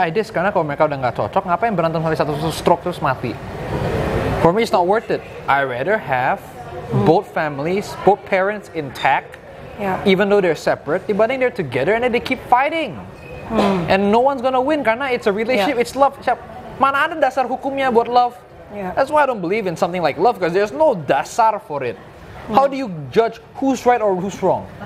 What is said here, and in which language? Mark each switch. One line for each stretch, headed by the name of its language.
English: Yeah, I did.
Indonesian: Karena kalau mereka udah nggak cocok, ngapain berantem sampai satu stroke terus mati?
English: For me, it's not worth it. I rather have both families, both parents intact, even though they're separate,
Indonesian: dibanding
English: they're together and then they keep fighting. And no one's gonna win
Indonesian: karena
English: it's a relationship, it's love.
Indonesian: Mana ada dasar hukumnya buat love?
English: That's why I don't believe in something like love because there's no
Indonesian: dasar
English: for it. How do you judge who's right or who's wrong?